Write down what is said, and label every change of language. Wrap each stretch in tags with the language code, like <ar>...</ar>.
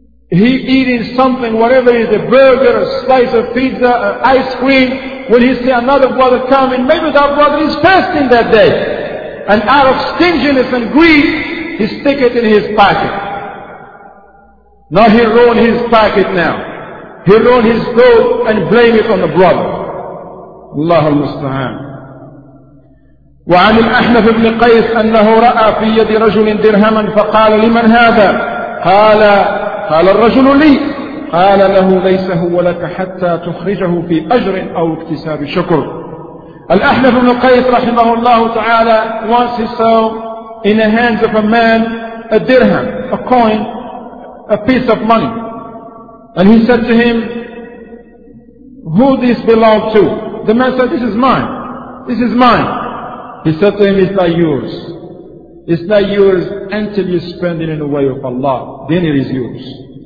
<en>He eating something, whatever it is, a burger, a slice of pizza, an ice cream, when he see another brother coming, maybe that brother is fasting that day. And out of stinginess and greed, he stick it in his pocket. Now he ruined his pocket now. He ruined his goat and blame it on the brother.</en> <ar>Allahu al-musta'an. وعن الأحنف بن قيس أنه رأى في يد رجل درهما فقال لمن هذا؟ قال الرجل لي. قال له ليس هو لك حتى تخرجه في أجر أو اكتساب شكر.</ar> <en>الأحنف بن قيس</en> <ar>رحمه الله تعالى</ar> <en>once he saw in the hands of a man a dirham, a coin, a piece of money, and he said to him, who this belong to? The man said, this is mine. He said to him, it's not yours until you spend it in the way of Allah, then it is yours.</en>